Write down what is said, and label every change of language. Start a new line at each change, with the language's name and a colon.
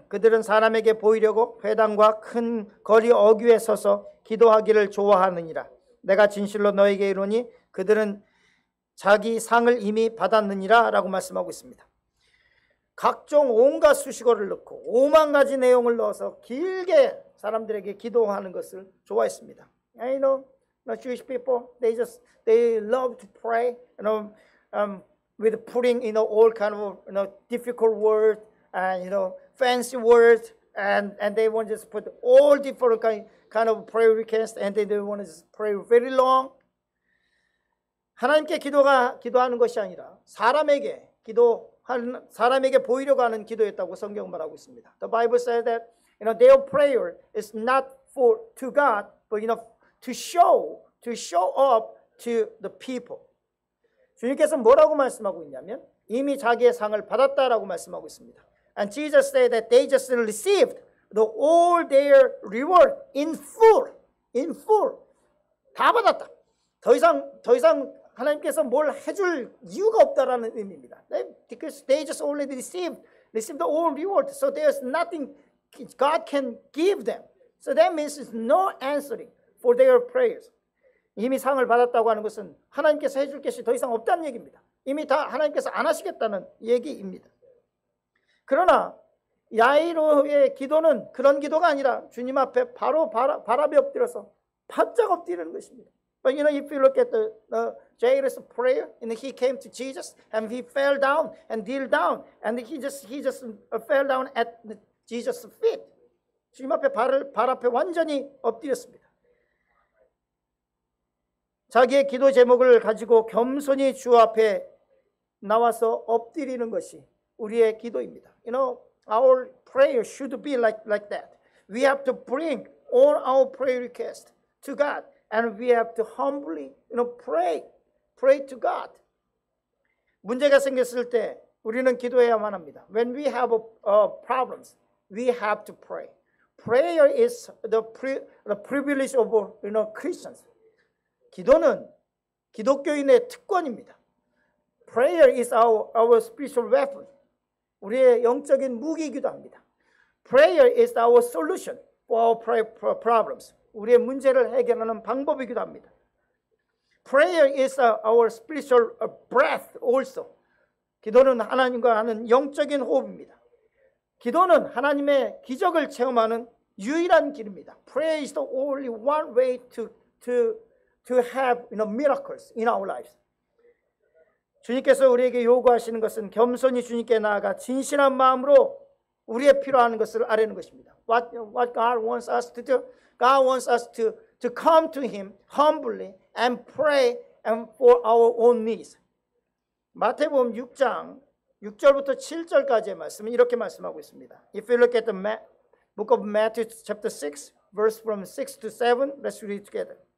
Korean: 그들은 사람에게 보이려고 회당과 큰 거리 어귀에 서서 기도하기를 좋아하느니라. 내가 진실로 너희에게 이르노니 그들은 자기 상을 이미 받았느니라 라고 말씀하고 있습니다. 각종 온갖 수식어를 넣고 5만 가지 내용을 넣어서 길게 사람들에게 기도하는 것을 좋아했습니다.
English: I know the Jewish people, they love to pray, you know, with putting, you know, all kind of, you know, difficult words and, you know, fancy words, and they want to just put all different kind of prayer requests, and they want to just pray very long.
Korean: 하나님께 기도하는 것이 아니라 사람에게 사람에게 보이려고 하는 기도였다고 성경 말하고 있습니다.
English: The Bible says that, you know, their prayer is not to God, but, you know, to show up to the people.
Korean: 주님께서 뭐라고 말씀하고 있냐면 이미 자기의 상을 받았다라고 말씀하고 있습니다.
English: And Jesus said that they just received all their reward in full.
Korean: 다 받았다. 더 이상 하나님께서 뭘 해줄 이유가 없다라는 의미입니다.
English: Because they just already received all reward. So there's nothing God can give them. So that means it's no answering for their prayers.
Korean: 이미 상을 받았다고 하는 것은 하나님께서 해줄 것이 더 이상 없다는 얘기입니다. 이미 다 하나님께서 안 하시겠다는 얘기입니다. 그러나 야이로의 기도는 그런 기도가 아니라 주님 앞에 바로 발 앞에 엎드려서 바짝 엎드리는 것입니다.
English: But you know, if you look at the Jairus' prayer, and he came to Jesus, and he fell down and kneeled down, and he just fell down at Jesus' feet.
Korean: 주님 앞에 발 앞에 완전히 엎드렸습니다. 자기의 기도 제목을 가지고 겸손히 주 앞에 나와서 엎드리는 것이 우리의 기도입니다.
English: You know, our prayer should be like that. We have to bring all our prayer requests to God, and we have to humbly, you know, pray to God.
Korean: 문제가 생겼을 때 우리는 기도해야만 합니다.
English: When we have a problems, we have to pray. Prayer is the privilege of, you know, Christians.
Korean: 기도는 기독교인의 특권입니다.
English: Prayer is our spiritual weapon.
Korean: 우리의 영적인 무기이기도 합니다.
English: Prayer is our solution for our problems.
Korean: 우리의 문제를 해결하는 방법이기도 합니다.
English: Prayer is our spiritual breath also.
Korean: 기도는 하나님과 하는 영적인 호흡입니다. 기도는 하나님의 기적을 체험하는 유일한 길입니다.
English: Prayer is the only one way to have, you know, miracles in our lives.
Korean: 주님께서 우리에게 요구하시는 것은 겸손히 주님께 나아가 진실한 마음으로 우리의 필요한 것을 아뢰는 것입니다.
English: What God wants us to do? God wants us to come to Him humbly and pray and for our own needs.
Korean: 마태복음 6장 6절부터 7절까지의 말씀은 이렇게 말씀하고 있습니다.
English: If you look at the book of Matthew chapter 6, verse from 6 to 7, let's read together.